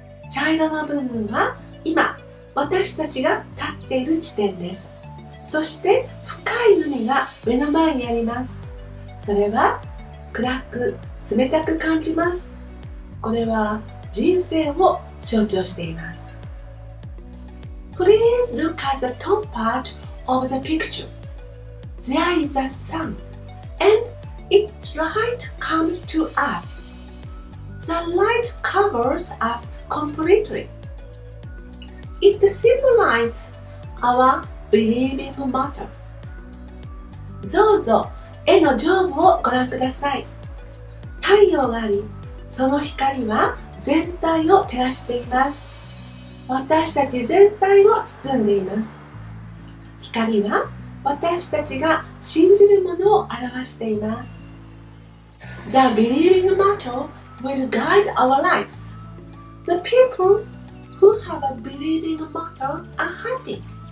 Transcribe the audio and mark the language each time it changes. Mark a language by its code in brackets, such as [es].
[ja] 茶色の部分は今私たちが立っている地点です。そして深い海が目の前にあります。それは暗く冷たく感じます。これは人生を象徴しています。 [en] Please look at the top part of the picture. There is a sun, and its light comes to us. The light covers us completely. It symbolizes our believing matter. [ja] どうぞ絵の上部をご覧ください。太陽があり、その光は全体を照らしています。私たち全体を包んでいます。光は私たちが信じるものを表しています。 [en] The believing matter will guide our lives. The people who have a believing matter are happy.